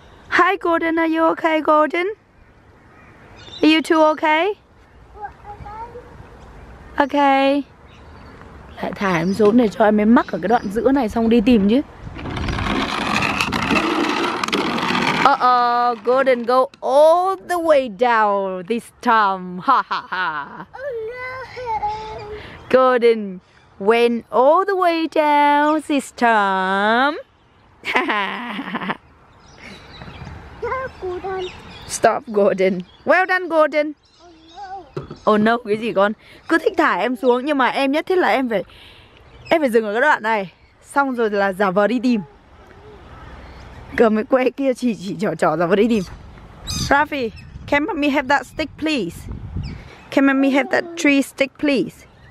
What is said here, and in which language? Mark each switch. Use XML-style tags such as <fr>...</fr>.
<en>Hi Gordon, are you okay Gordon? Are you two okay?</en> <vi>Okay. Lại thả em xuống để cho em ấy mắc ở cái đoạn giữa này xong đi tìm chứ.</vi> <en>Gordon go all the way down this time. Ha ha ha. Gordon went all the way down this time. Stop, Gordon. Stop, Gordon. Well done, Gordon. Oh no. Oh no,</en> <vi>cái gì con? Cứ thích thả em xuống nhưng mà em nhất thiết là em phải dừng ở cái đoạn này. Xong rồi là giả vờ đi tìm. Cầm cái que kia chỉ trỏ trỏ giả vờ đi tìm.</vi> <en>Rafi, can let me have that stick please? Can let me have that tree stick please?</en>